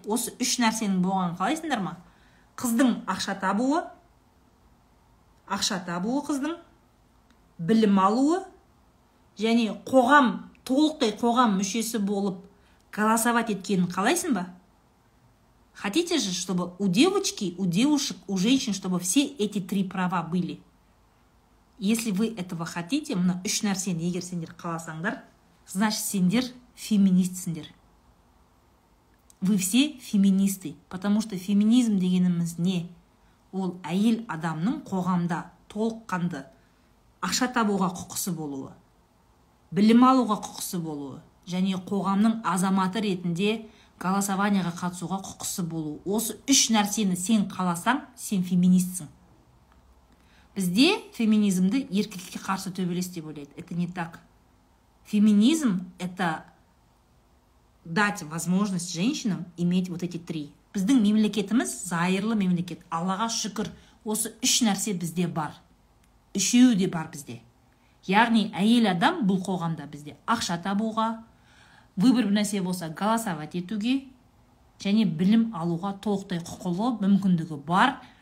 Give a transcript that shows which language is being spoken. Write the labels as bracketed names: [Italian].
[Kazakh] Осы үш нәрсенің болғанын қалайсыңдар ма? Қыздың ақша табуы қыздың, білім алуы, және қоғам, толықтай қоғам мүшесі болып, голосовать еткенін қалайсың ба? [Russian] Хотите же, чтобы у девочки, у девушек, у женщин, чтобы все эти три права были? Если вы этого хотите, [Kazakh] мына үш нәрсені егер сендер қаласаңдар, [Russian] значит, [Kazakh] сендер феминистсіндер. [Russian] Вы все феминисты, потому что феминизм [Kazakh] дегеніміз не? Ол әйел адамның қоғамда толыққанды ақша табуға құқысы болуы, білім алуға құқысы болуы, және қоғамның азаматы ретінде голосованияға қатысуға құқысы болуы. Осы үш нәрсені сен қаласаң, сен феминистсің. Бізде феминизмді еркекке қарсы төбелес деп ойлайды. [Russian] Это не так. Феминизм – это дать возможность женщинам иметь вот эти три. [Kazakh] Біздің мемлекетіміз – зайырлы мемлекет. Аллаға шүкір, осы үш нәрсе бізде бар. Үшеуі де бар бізде. Яғни, әйел адам бұл қоғамда бізде ақша табуға, выбор нәрсе болса голосовать етуге, және білім алуға толықтай құқылы мүмкіндігі бар.